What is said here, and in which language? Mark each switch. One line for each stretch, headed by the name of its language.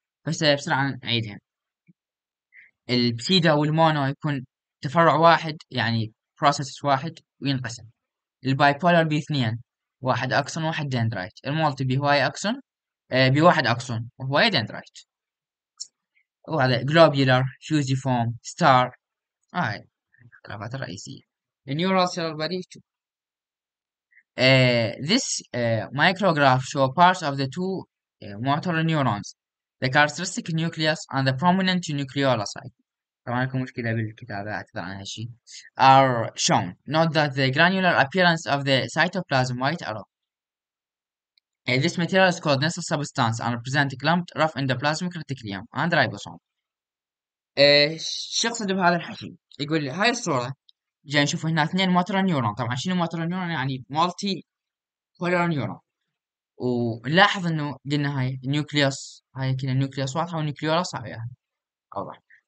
Arabic: بس بسرعة نعيدها. البسيدا والمونو يكون تفرع واحد يعني بروسيس واحد وينقسم. الباي بولر بي اثنين، واحد اكسون واحد دندرايت. المولتي بي هواي اكسون بي واحد اكسون وهواي دندرايت. وهذا جلوبيولر فيوزي فوم ستار، هاي الكلافات الرئيسية. النيورال سيلر بادي تو.
English: This micrograph show parts of the two motor neurons, the characteristic nucleus and the prominent nucleolocyte.
Arabic: طبعا لكم مشكلة بالكتابة أعتذر عن هالشي.
English: Are shown. Note that the granular appearance of the cytoplasm white arrow. This material is called nestle substance and represent clumped rough endoplasmic reticulum and ribosome.
Arabic: شو اقصد بهذا الحكي؟ يقول لي هاي الصورة جاي نشوف هنا اثنين موتور نيورون. طبعا شنو موتور نيورون؟ يعني مالتي بولر نيورون. ونلاحظ انه قلنا هاي نيوكليوس، هاي كنا نيوكليوس واضحه ونيوكليولس هاي واضح.